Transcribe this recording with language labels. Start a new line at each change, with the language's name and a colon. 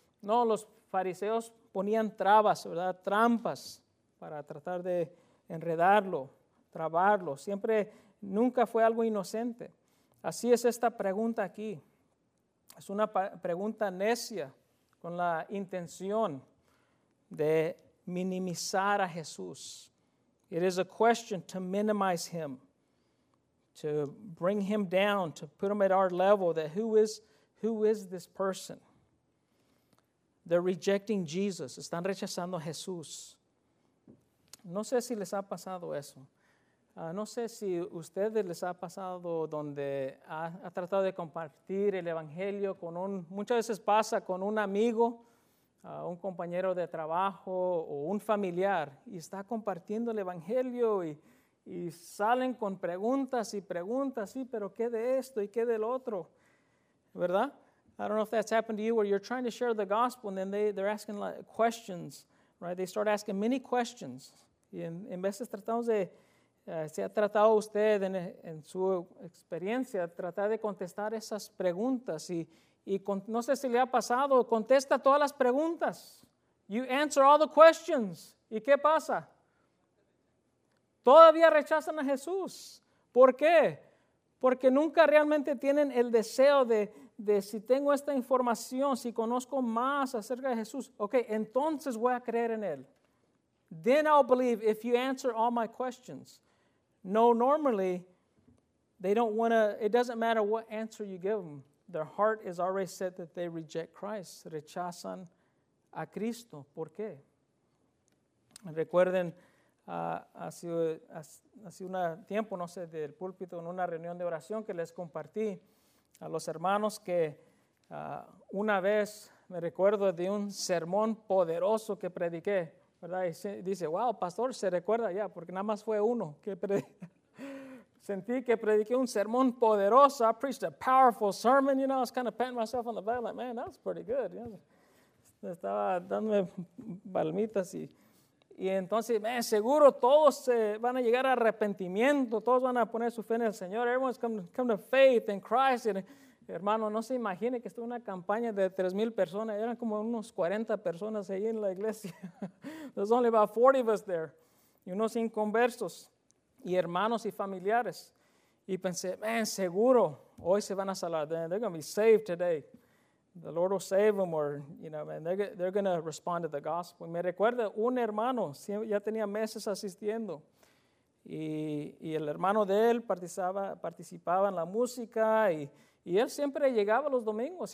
Spanish: No, los fariseos ponían trabas, ¿verdad? Trampas para tratar de enredarlo, trabarlo. Siempre, nunca fue algo inocente. Así es esta pregunta aquí. Es una pregunta necia con la intención de minimizar a Jesús.
English: It is a question to minimize him, to bring him down, to put him at our level, that who is this person? They're rejecting Jesus.
Spanish: Están rechazando a Jesús. No sé si les ha pasado eso. No sé si a ustedes les ha pasado donde ha tratado de compartir el evangelio con muchas veces pasa con un amigo, un compañero de trabajo o un familiar, y está compartiendo el evangelio y salen con preguntas y preguntas, sí, pero ¿qué de esto y qué del otro? ¿Verdad?
English: I don't know if that's happened to you where you're trying to share the gospel and then they're asking questions, right? They start asking many questions.
Spanish: Y en veces tratamos de, si ha tratado usted en su experiencia, tratar de contestar esas preguntas. Y con, no sé si le ha pasado, contesta todas las preguntas.
English: You answer all the questions.
Spanish: ¿Y qué pasa? Todavía rechazan a Jesús. ¿Por qué? Porque nunca realmente tienen el deseo de si tengo esta información, si conozco más acerca de Jesús, ok, entonces voy a creer en Él.
English: Then I'll believe if you answer all my questions. No, normally, they don't want to, it doesn't matter what answer you give them. Their heart is already set that they reject Christ.
Spanish: Rechazan a Cristo. ¿Por qué? Recuerden, hace un tiempo, no sé, del púlpito, en una reunión de oración que les compartí a los hermanos que una vez me recuerdo de un sermón poderoso que prediqué, ¿verdad? Y se, dice, wow, pastor, se recuerda ya, porque nada más fue uno que prediqué. Sentí que prediqué un sermón poderoso.
English: I preached a powerful sermon, you know, I was kind of patting myself on the back, like, man, that was pretty good. You know?
Spanish: Estaba dándome palmitas y entonces, man, seguro todos van a llegar a arrepentimiento, todos van a poner su fe en el Señor.
English: Everyone's come to faith in Christ.
Spanish: And, hermano, no se imagine que estuvo una campaña de 3,000 personas. Eran como unos 40 personas ahí en la iglesia.
English: There's only about 40 of us there.
Spanish: Y unos inconversos, y hermanos y familiares. Y pensé, man, seguro hoy se van a salvar.
English: They're going to be saved today. The Lord will save them, or, you know, man, they're going to respond to the gospel.
Spanish: Me recuerda un hermano, ya tenía meses asistiendo, y el hermano de él participaba en la música, y él siempre llegaba los domingos.